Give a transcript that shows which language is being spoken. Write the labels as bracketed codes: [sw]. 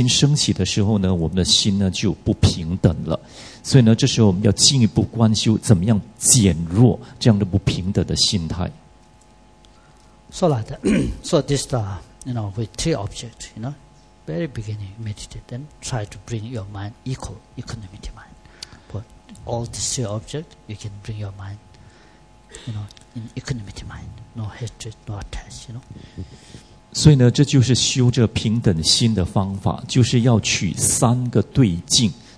[zh] 当我们在观修敌人为对境的时候呢，我们观想在我们前方出现这个敌人，哦，在我们就想，哎，这个人呢，为什么是我们的敌人？因为他曾经呢伤害过我，或者伤害过我所，就伤害过我的家人啊，我的亲人啊，或者我的朋友等等。所以呢，我们的心是怎么样呢？我们会对这个所谓的敌人呢，升起了嗔恨的心。当这嗔恨的心升起的时候呢，我们的心呢就不平等了。所以呢，这时候我们要进一步观修，怎么样减弱这样的不平等的心态。 [en] So like that, so this, you know, with three objects, you know, very beginning meditate, then try to bring your mind equal, equanimity mind. But all these three objects, you can bring your mind, you know, in equanimity mind, no hatred, no attachment, you know. [zh] 所以呢，这就是修这平等心的方法，就是要取三个对境。